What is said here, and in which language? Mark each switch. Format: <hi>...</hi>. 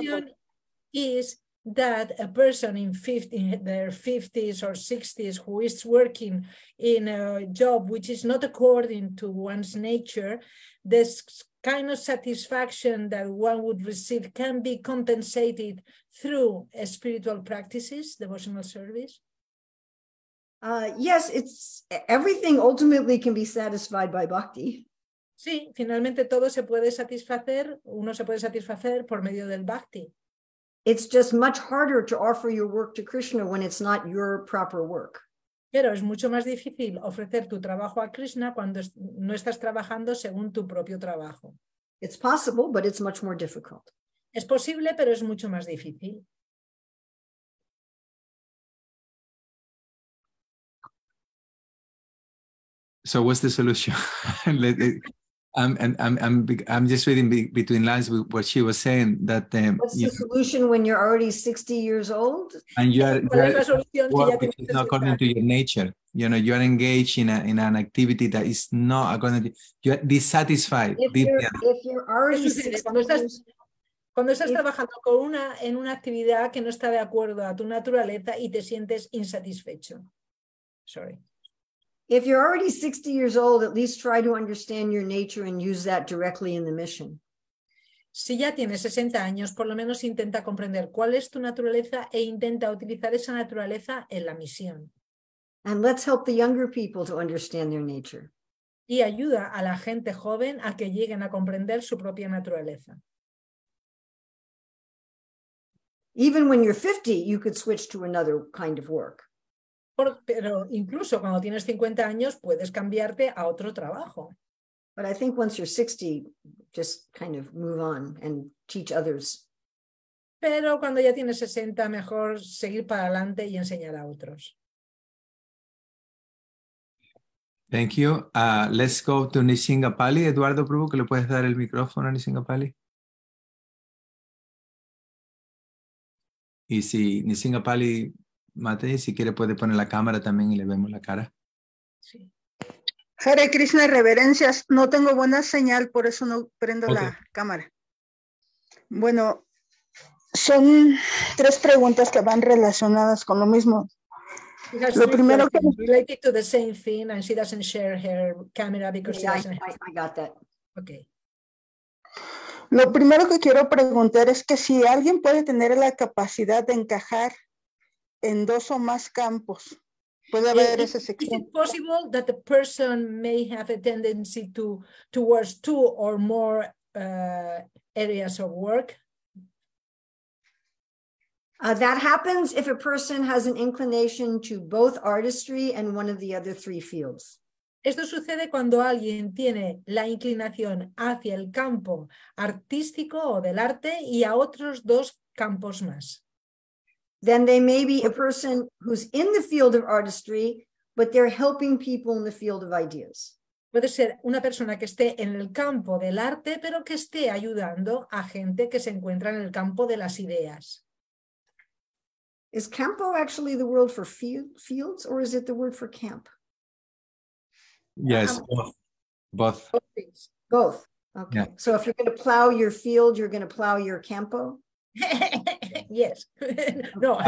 <en>The question is that a person in 50, in their 50s or 60s who is working in a job which is not according to one's nature, this kind of satisfaction that one would receive can be compensated through spiritual practices, devotional service? Yes, it's everything ultimately can be satisfied by bhakti.</en> <es>Sí, finalmente todo se puede satisfacer, uno se puede satisfacer por medio del bhakti.</es> <en>It's just much harder to offer your work to Krishna when it's not your proper work.</en> <es>Pero es mucho más difícil ofrecer tu trabajo a Krishna cuando no estás trabajando según tu propio trabajo.</es> <en>It's possible, but it's much more difficult.</en> <es>Es posible, pero es mucho más difícil.</es> <en>So what's the solution? I'm just reading between lines with what she was saying that. What's the solution when you're already 60 years old? And you're not according to your nature. You know, you're engaged in an activity that is not according to you're dissatisfied. If you're already</en> <es>trabajando en una actividad que no está de acuerdo a tu naturaleza y te sientes insatisfecho.</es> <en>Sorry. If you're already 60 years old, at least try to understand your nature and use that directly in the mission.</en> <es>Si ya tienes 60 años, por lo menos intenta comprender cuál es tu naturaleza e intenta utilizar esa naturaleza en la misión.</es> <en>And let's help the younger people to understand their nature.</en> <es>Y ayuda a la gente joven a que lleguen a comprender su propia naturaleza.</es> <en>Even when you're 50, you could switch to another kind of work.</en> <es>Pero incluso cuando tienes 50 años puedes cambiarte a otro trabajo.</es> <en>But I think once you're 60, just kind of move on and teach others.</en> <es>Pero cuando ya tienes 60, mejor seguir para adelante y enseñar a otros.</es> <en>Thank you. Let's go to Nisinga Pali.</en> <es>Eduardo Prabhu, ¿que le puedes dar el micrófono a Nisinga Pali? Y si Nisinga Pali. Mate, si quiere puede poner la cámara también y le vemos la cara. Sí. Hare Krishna, reverencias. No tengo buena señal, por eso no prendo la cámara. Bueno, son tres preguntas que van relacionadas con lo mismo. Lo primero que...</es> <en>Related to the same thing, and she doesn't share her camera because she doesn't have... I got that. Okay.</en> <es>Lo primero que quiero preguntar es que si alguien puede tener la capacidad de encajar en dos o más campos. Puede haber esa sección.</es> <en>Is it possible that the person may have a tendency towards two or more areas of work? That happens if a person has an inclination to both artistry and one of the other three fields.</en> <es>Esto sucede cuando alguien tiene la inclinación hacia el campo artístico o del arte y a otros dos campos más.</es> <en>Then they may be a person who's in the field of artistry, but they're helping people in the field of ideas. Puede ser una persona que esté en el campo del arte, pero que esté ayudando a gente que se encuentra en el campo de las ideas. Is campo actually the word for fields, or is it the word for camp? Yes, both. Both. Okay. Yeah. So if you're going to plow your field, you're going to plow your campo. Yes. No,</en>